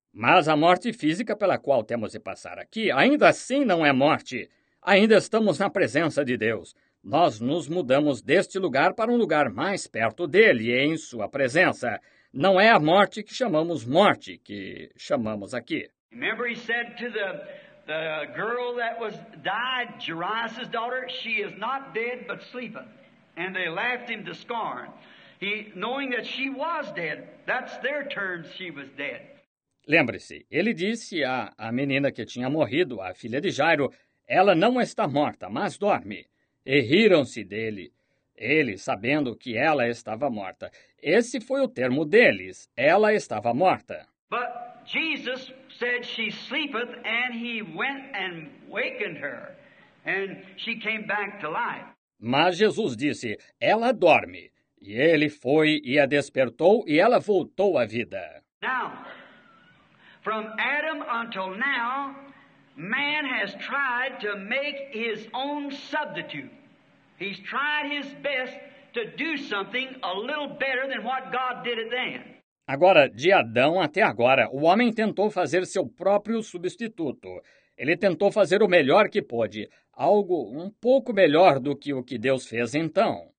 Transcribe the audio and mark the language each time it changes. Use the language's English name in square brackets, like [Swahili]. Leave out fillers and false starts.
[Portuguese] Mas a morte física pela qual temos de passar aqui, ainda assim não é morte. Ainda estamos na presença de Deus. Nós nos mudamos deste lugar para um lugar mais perto dele, em sua presença. Não é a morte que chamamos morte, que chamamos aqui. [English] Remember he said to the girl that was died, Jairus' daughter, she is not dead but sleeping. And they laughed him to scorn. He, knowing that she was dead, that's their terms, she was dead. [Portuguese] Lembre-se, ele disse à menina que tinha morrido, a filha de Jairo, ela não está morta, mas dorme. E riram-se dele, ele sabendo que ela estava morta. Esse foi o termo deles, ela estava morta. [English] But Jesus said she sleepeth, and he went and wakened her, and she came back to life. [Portuguese] Mas Jesus disse, ela dorme. E ele foi e a despertou, e ela voltou à vida. [English] Now, from Adam until now, man has tried to make his own substitute. He's tried his best to do something a little better than what God did it then. [Portuguese] Agora, de Adão até agora, o homem tentou fazer seu próprio substituto. Ele tentou fazer o melhor que pôde, algo um pouco melhor do que o que Deus fez então.